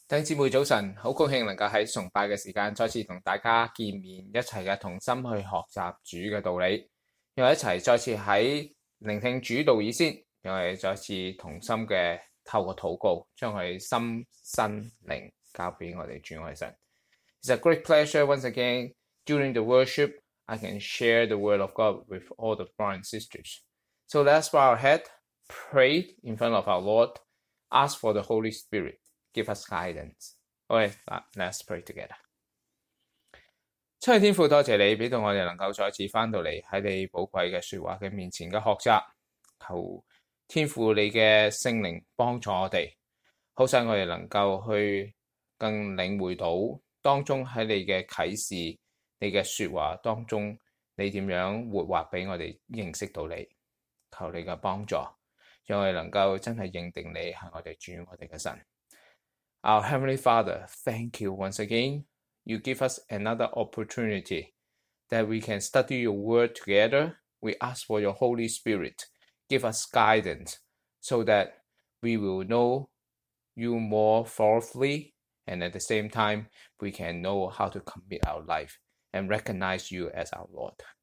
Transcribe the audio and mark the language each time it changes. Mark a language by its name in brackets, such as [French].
[Cantonese] 弟兄姊妹早晨，好高兴能够喺崇拜嘅时间再次同大家见面，一齐嘅同心去学习主嘅道理，又一齐再次喺聆听主道以先，又系再次同心嘅透过祷告，将佢心身灵交俾我哋主爱神。 [English] It's a great pleasure once again during the worship, I can share the word of God with all the brothers and sisters. So let's bow our head, pray in front of our Lord, ask for the Holy Spirit. Give us guidance. Okay, let's pray together. [Cantonese] 亲爱的天父，多谢你俾到我哋能够再次翻到嚟喺你宝贵嘅说话嘅面前嘅学习。求天父你嘅圣灵帮助我哋，好使我哋能够去更领会到当中喺你嘅启示、你嘅说话当中，你点样活化俾我哋认识到你。求你嘅帮助，让我哋能够真系认定你系我哋主，我哋嘅神。 [English] Our Heavenly Father, thank you once again. You give us another opportunity that we can study your word together. We ask for your Holy Spirit. Give us guidance so that we will know you more thoroughly. And at the same time, we can know how to commit our life and recognize you as our Lord.